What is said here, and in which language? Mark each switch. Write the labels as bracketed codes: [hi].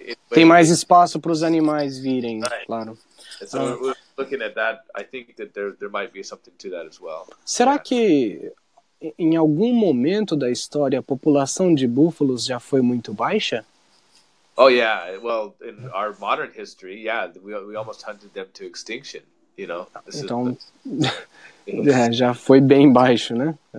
[pt] Tem mais espaço para os animais virem, claro. [en] So looking at that, I think that there might be something to that as well. [pt] Será que em algum momento da história a população de búfalos já foi muito baixa? [en] Oh yeah, well in our modern history, yeah, we almost hunted them to extinction, you know. [pt] This então já foi bem baixo, né?